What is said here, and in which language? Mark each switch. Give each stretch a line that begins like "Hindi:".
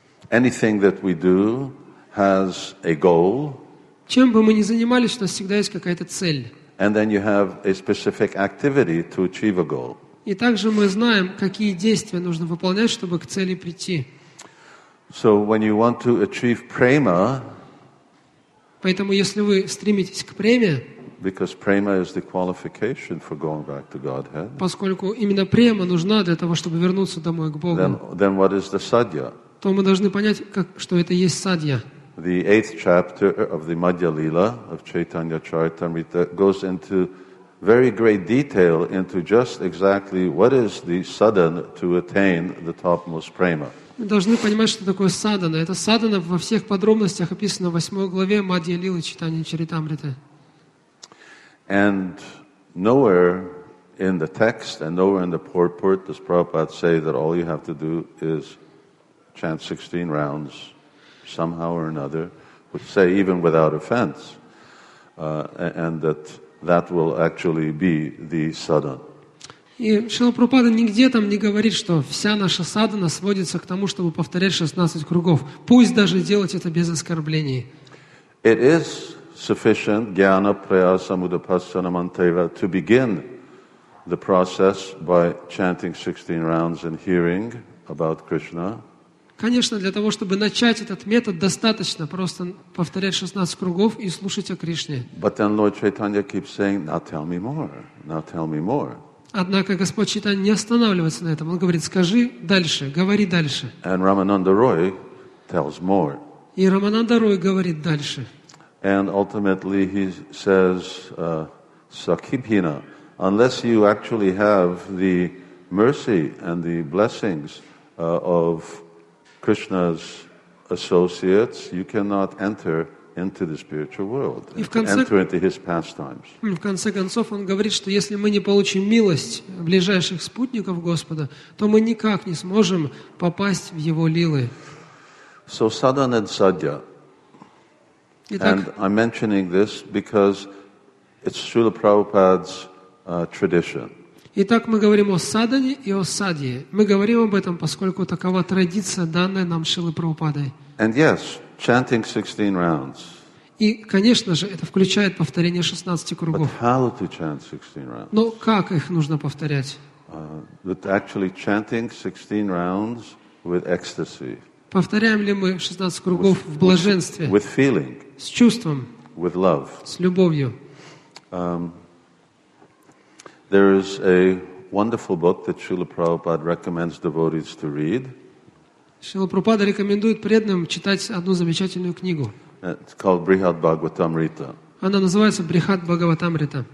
English: Anything that we do has a goal.
Russian: Чем бы мы ни занимались, у нас всегда есть какая-то цель.
English: And then you have a specific activity to achieve a goal.
Russian: И также мы знаем, какие действия нужно выполнять, чтобы к цели прийти.
English: So when you want to achieve prema,
Russian: поэтому, если вы стремитесь к преме,
English: because prema is the qualification for going back to Godhead,
Russian: поскольку именно према нужна для того, чтобы вернуться домой к Богу,
English: then what is the sadhya?
Russian: То мы должны понять, что это есть садья.
English: The eighth chapter of the Madhya Lila of Chaitanya Charitamrita goes into very great detail into just exactly what is the sadhana to attain the topmost prema.
Russian: Мы должны понимать, что такое садхана. Это садхана во всех подробностях описано в 8 главе Мадья Лилы Читания Чаритамриты.
English: And nowhere in the text and nowhere in the purport does Prabhupada say that all you have to do is chant 16 rounds somehow or another, would say even without offense, and that will actually be the садхана.
Russian: И Шрила Прабхупада нигде там не говорит, что вся наша садхана сводится к тому, чтобы повторять 16 кругов. Пусть даже делать это без оскорблений.
English: It is sufficient,
Sanskrit: jnana, prayasa, mudapassana, manteva,
English: to begin the process by chanting 16 rounds and hearing about Krishna.
Russian: Конечно, для того, чтобы начать этот метод, достаточно просто повторять 16 кругов и слушать о Кришне.
English: But then Lord Chaitanya keeps saying, now tell me more, now tell me more.
Russian: Однако Господь Чайтанья не останавливается на этом. Он говорит, скажи дальше, говори дальше.
English: And Ramananda Roy tells more.
Russian: И Рамананда Рой говорит дальше.
English: And ultimately he says, Sakhibhina, unless you actually have the mercy and the blessings of Krishna's associates, you cannot enter into the spiritual world, enter into his pastimes.
Russian: В конце концов, он говорит, что если мы не получим милость ближайших спутников Господа, то мы никак не сможем попасть в его лилы.
English: So, sadhana and sadhya. And I'm mentioning this because it's Srila Prabhupada's tradition.
Russian: Итак, мы говорим о садане и о садье. Мы говорим об этом, поскольку такова традиция, данная нам Шрилы Прабхупадой.
English: And yes, chanting 16 rounds.
Russian: И, конечно же, это включает повторение 16 кругов.
English: But how to chant 16 rounds?
Russian: Но как их нужно повторять?
English: That actually chanting 16 rounds with ecstasy.
Russian: Повторяем ли мы 16 кругов в блаженстве?
English: With feeling.
Russian: С чувством.
English: With love.
Russian: С любовью.
English: There is a wonderful book that Srila Prabhupada recommends devotees to read.
Russian: Srila Prabhupada рекомендует преданным читать одну замечательную книгу.
English: It's called Brihad Bhagavatamrita.
Russian: Она называется Брихад Бхагаватамрита.